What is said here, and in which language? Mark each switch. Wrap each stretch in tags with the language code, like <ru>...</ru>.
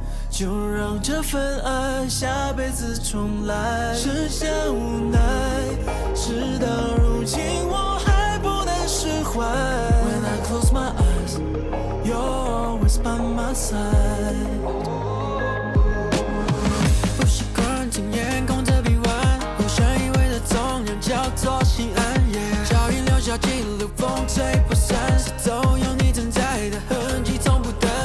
<zh>就让这份爱下辈子重来，剩下无奈，直到如今我还不能释怀。</zh> <en>When I close my eyes, you're always by my side.</en> <zh>不习惯亲眼空着臂弯，不想以为的纵然叫做心安。 Yeah, 脚印留下记录，风吹不散，是总有你存在的痕迹，从不淡。</zh>